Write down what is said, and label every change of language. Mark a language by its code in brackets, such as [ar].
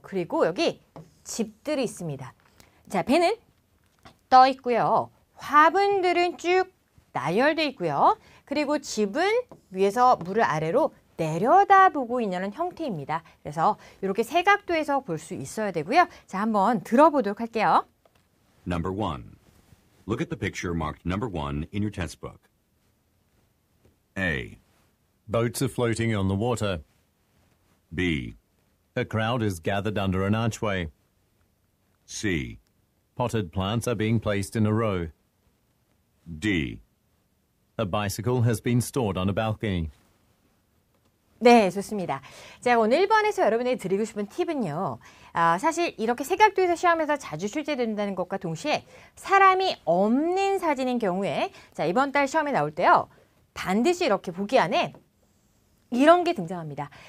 [ko] 그리고 여기 집들이 있습니다. 자, 배는 떠 있고요. 화분들은 쭉 나열돼 있고요. 그리고 집은 위에서 물을 아래로 내려다보고 있는 형태입니다. 그래서 이렇게 세각도에서 볼 수 있어야 되고요. 자, 한번 들어보도록 할게요. [en] Number one. Look at the picture marked number one in your textbook. A. Boats are floating on the water. B. A crowd is gathered under an archway. C. Potted plants are being placed in a row. D. A bicycle has been stored on a balcony. [ko] 네, 좋습니다. 제가 오늘 1번에서 여러분에게 드리고 싶은 팁은요. 사실 이렇게 세각도에서 시험에서 자주 출제된다는 것과 동시에 사람이 없는 사진인 경우에 자, 이번 달 시험에 나올 때요. 반드시 이렇게 보기 안에 이런 게 등장합니다.